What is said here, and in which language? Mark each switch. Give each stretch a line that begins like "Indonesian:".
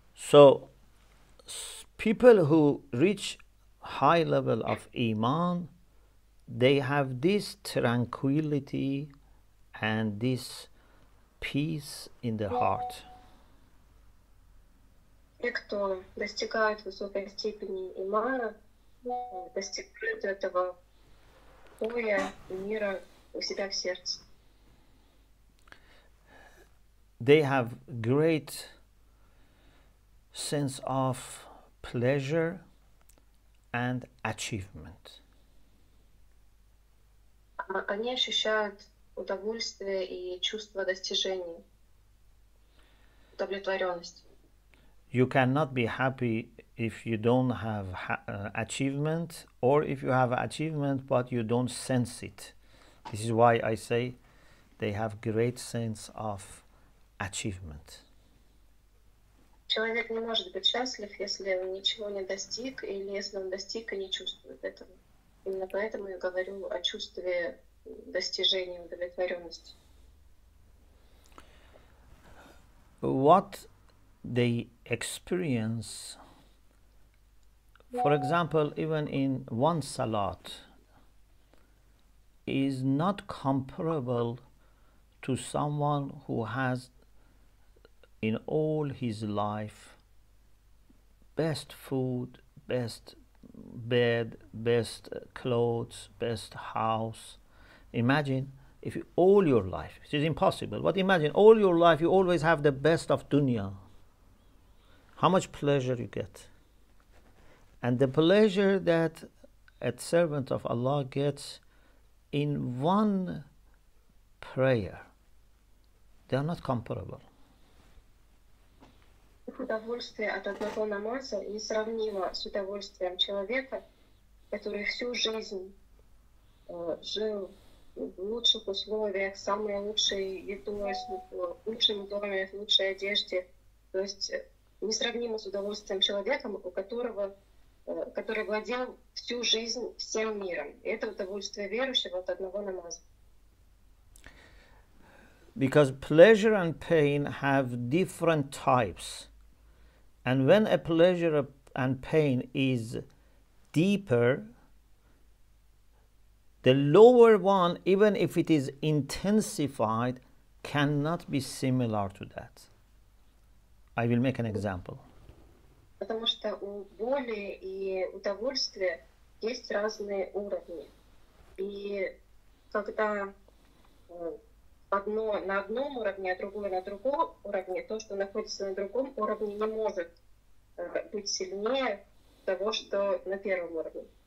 English: So, people who reach high level of Iman, they have this tranquility and this peace in the heart.
Russian: Те, кто достигают высокой степени имана, достигают этого покоя и мира у себя в сердце.
English: They have great sense of pleasure and achievement.
Russian: Они ощущают удовольствие и чувство достижения, удовлетворенность.
English: You cannot be happy if you don't have achievement, or if you have achievement but you don't sense it. This is why I say they have great sense of achievement.
Russian: Человек не может быть счастлив, если он ничего не достиг, или если он достиг и не чувствует этого. Именно поэтому я говорю о чувстве достижения, удовлетворенности.
English: What they experience, for example, even in one salat, is not comparable to someone who has in all his life best food, best bed, best clothes, best house. Imagine if all your life, which is impossible, but imagine all your life you always have the best of dunya. How much pleasure you get. And the pleasure that a servant of Allah gets in one prayer, they are not comparable.
Russian: удовольствие от одного намаза несравнимо с удовольствием человека, который всю жизнь жил в лучших условиях, самой лучшей едой, в лучшем доме, в лучшей одежде. То есть несравнимо с удовольствием человека, у которого, который владел всю жизнь всем миром. И это удовольствие верующего от одного намаза.
English: Because pleasure and pain have different types. And when a pleasure and pain is deeper, the lower one, even if it is intensified, cannot be similar to that. I will make an example.
Russian: Потому что у боли и удовольствия есть разные уровни. И когда одно на одном уровне, а другое на другом уровне, то, что находится на другом уровне, не может быть сильнее того, что на первом уровне.